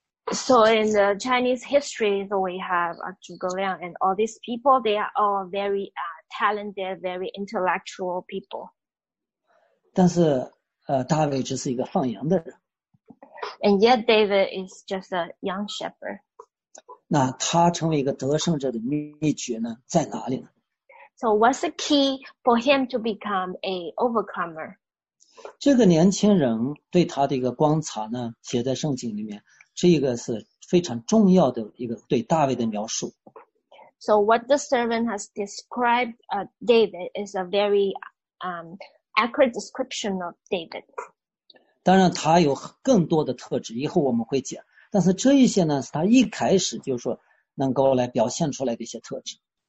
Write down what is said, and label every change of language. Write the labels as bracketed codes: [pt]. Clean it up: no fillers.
[en] So in the Chinese history, we have Zhuge Liang and all these people. They are all very talented, very intellectual people. [zh] 但是大卫只是一个放羊的人。 [en] And yet David is just a young shepherd. [zh] 那他成为一个得胜者的秘诀呢，在哪里呢？ [en] So what's the key for him to become a overcomer? [zh] 这个年轻人对他的一个观察呢，写在圣经里面，这一个是非常重要的一个对大卫的描述。 [en] So what the servant has described, David is a very accurate description of David. [zh] 当然，他有更多的特质，以后我们会讲。但是这一些呢，是他一开始就是说能够来表现出来的一些特质。